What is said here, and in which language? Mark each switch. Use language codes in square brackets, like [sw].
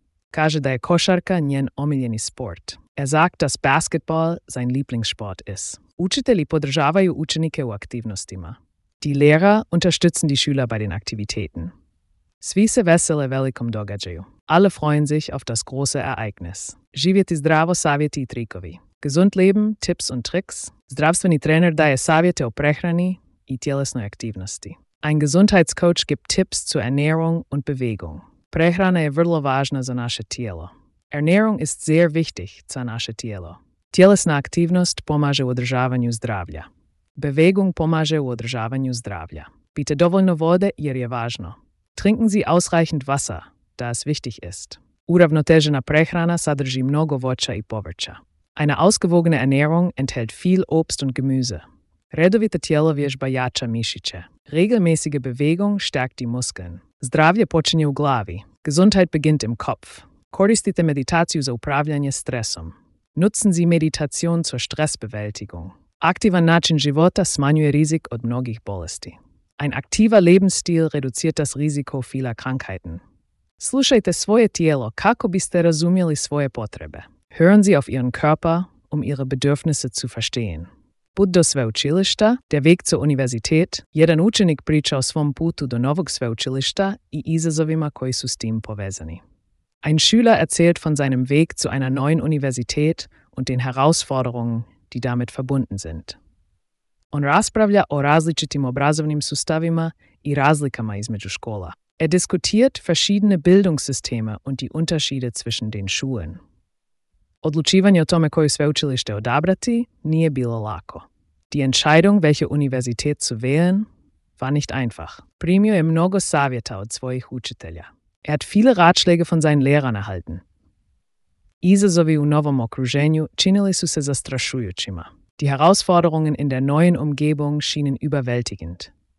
[hr] Kaže da je košarka njen omiljeni sport. [de] Er sagt, dass Basketball sein Lieblingssport ist. [hr] Učitelji podržavaju učenike u aktivnostima. [de] Die Lehrer unterstützen die Schüler bei den Aktivitäten. [hr] Svi se vesele velikom događaju. [de] Alle freuen sich auf das große Ereignis. [hr] Živjeti zdravo, savjeti i trikovi. [de] Gesund leben, Tipps und Tricks. [hr] Zdravstveni trener daje savjete o prehrani i tjelesnoj aktivnosti. [de] Ein Gesundheitscoach gibt Tipps zur Ernährung und Bewegung. [hr] Prehrana je vrlo važna za naše tijelo. [de] Ernährung ist sehr wichtig [hr] za naše tijelo. Tjelesna aktivnost pomaže u održavanju zdravlja. Bewegung pomaže u održavanju zdravlja. Pijte dovoljno vode jer je važno. [de] Trinken Sie ausreichend Wasser, da es wichtig ist. [hr] Uravnotežena prehrana sadrži mnogo voća i povrća. [de] Eine ausgewogene Ernährung enthält viel Obst und Gemüse. [hr] Redovita tjelovježba jača mišiće. [de] Regelmäßige Bewegung stärkt die Muskeln. [hr] Zdravlje počinje u glavi. [de] Gesundheit beginnt im Kopf. [hr] Koristite meditaciju za upravljanje stresom. [de] Nutzen Sie Meditation zur Stressbewältigung. [hr] Aktivan način života smanjuje rizik od mnogih bolesti. [de] Ein aktiver Lebensstil reduziert das Risiko vieler Krankheiten. [hr] Slušajte svoje tijelo kako biste razumjeli svoje potrebe. [de] Hören Sie auf Ihren Körper, um Ihre Bedürfnisse zu verstehen. [hr] Put do sveučilišta, [de] der Weg zur Universität. [hr] Jedan učenik priča o svom putu do novog sveučilišta i izazovima koji su s tim povezani. [de] Ein Schüler erzählt von seinem Weg zu einer neuen Universität und den Herausforderungen, die damit verbunden sind. [hr] On raspravlja o različitim obrazovnim sustavima i razlikama između škola. [de] Er diskutiert verschiedene Bildungssysteme und die Unterschiede zwischen den Schulen. [hr] Odlučivanje o tome koje sveučilište odabrati nije bilo lako. [de] Die Entscheidung, welche Universität zu wählen, war nicht einfach. [hr] Primio je mnogo savjeta od svojih učitelja. [de] Er hat viele Ratschläge von seinen Lehrern erhalten. [hr] Izazovi u novom okruženju činili su se zastrašujućima. [de] Die Herausforderungen in der neuen Umgebung schienen überwältigend.